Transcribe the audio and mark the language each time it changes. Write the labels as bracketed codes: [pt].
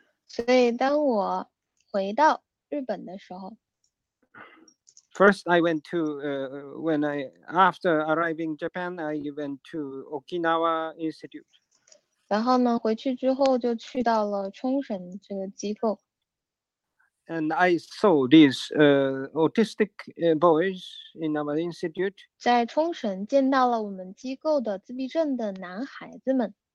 [zh] 所以当我回到日本的时候 [en] ，First I went to after arriving Japan, I went to Okinawa Institute. [zh] 然后呢，回去之后就去到了冲绳这个机构。 [en] And I saw these autistic boys in our institute. [zh] 在冲绳见到了我们机构的自闭症的男孩子们。